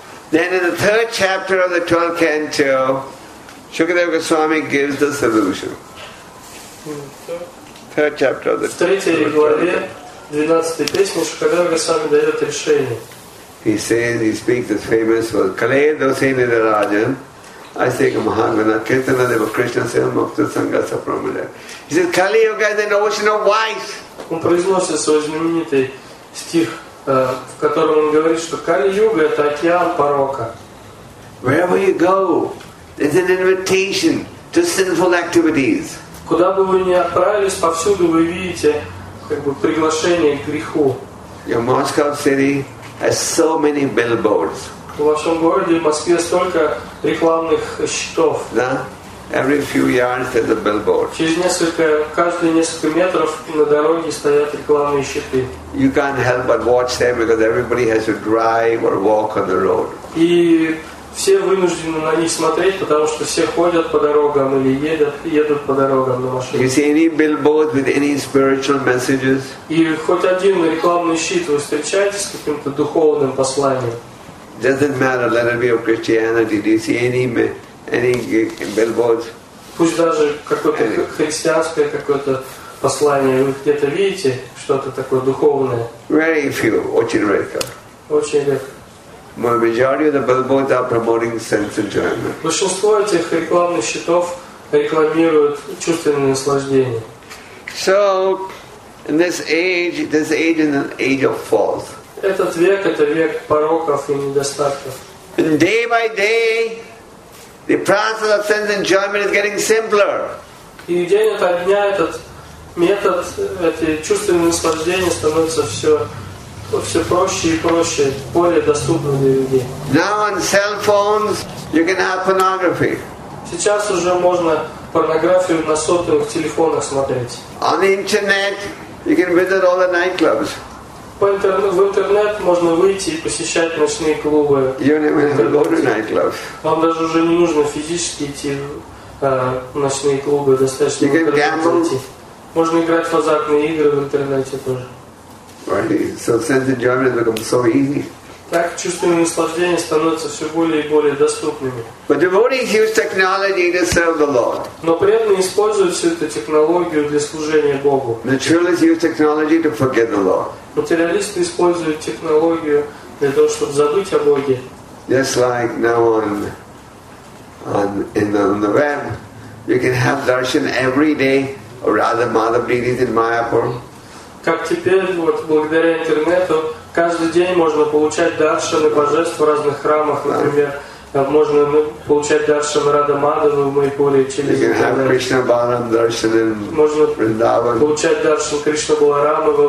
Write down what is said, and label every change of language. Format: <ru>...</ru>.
<en>Then in the third chapter of the 12th canto, Shukadeva Goswami gives the solution. Third chapter of the 12th canto.</en> <ru>12-й песни Шукадева сам дает решение.</ru> <en>He says, he speaks this famous word,</en> <sa>Kale Dosene Rajan, I say Mahagana, Ketana Deva Krishna Sena Mokta Sangha Sapramada.</sa> <en>He says, Kali Yuga is an ocean of white.</en> <ru>Он произносит свой знаменитый стих, в котором он говорит, что Kali Yuga это океан порока.</ru> <en>Wherever you go, there's an invitation to sinful activities.</en> <ru>Куда бы вы ни отправились, повсюду вы видите как бы приглашение к греху.</ru> <en>Your Moscow city has so many billboards.</en> <ru>В вашем городе, в Москве, столько рекламных щитов.</ru> <en>Да? Every few yards there's a billboard.</en> <ru>Через несколько, каждые несколько метров на дороге стоят рекламные щиты.</ru> <en>You can't help but watch them because everybody has to drive or walk on the road.</en> <ru>И все вынуждены на них смотреть, потому что все ходят по дорогам или едут по дорогам на машине.</ru> <en>You see any billboard with any spiritual messages?</en> <ru>И хоть один рекламный щит вы встречаете с каким-то духовным посланием?</ru> <en>Doesn't matter, let it be of Christianity. Do you see any billboards?</en> <ru>Пусть даже какое-то христианское какое-то послание, вы где-то видите что-то такое духовное?</ru> <en>Very few,</en> <ru>очень редко. Очень редко.</ru> <en>Majority of the billboards are promoting sense enjoyment.</en> <ru>Большинство этих рекламных щитов рекламируют чувственное наслаждение.</ru> <en>So, in this age is an age of faults.</en> <ru>Этот век — это век пороков и недостатков.</ru> <en>And day by day, the process of sense enjoyment is getting simpler.</en> <ru>И день ото дня этот метод, эти чувственные наслаждения становятся все проще и проще, более доступно для людей.</ru> <en>Now on cell phones you can have pornography.</en> <ru>Сейчас уже можно порнографию на сотовых телефонах смотреть.</ru> <en>On the internet you can visit all the nightclubs.</en> <ru>В интернет можно выйти и посещать ночные клубы.</ru> <en>You don't even have to go to nightclubs.</en> <ru>Вам даже уже не нужно физически идти в ночные клубы, достаточно</ru> <en>You can gamble.</en> <ru>Можно играть в азартные игры в интернете тоже.</ru> <en>Right. So sense enjoyment becomes so easy.</en> <ru>Так чувственные наслаждения становятся все более и более доступными.</ru> <en>But devotees use technology to serve the Lord.</en> <ru>Но преданные используют всю эту технологию для служения Богу.</ru> <en>Materialists use technology to forget the Lord.</en> <ru>Материалисты используют технологию для того, чтобы забыть о Боге.</ru> <en>Just like now on the web, you can have darshan every day of Radha Madhava deities in Mayapur.</en> <ru>Как теперь, вот благодаря интернету, каждый день можно получать даршаны божеств в разных храмах, например, можно получать даршаны Радха Мадхавы в Майпуре через интернет. Можно получать даршан Кришна Баларамы во</ru>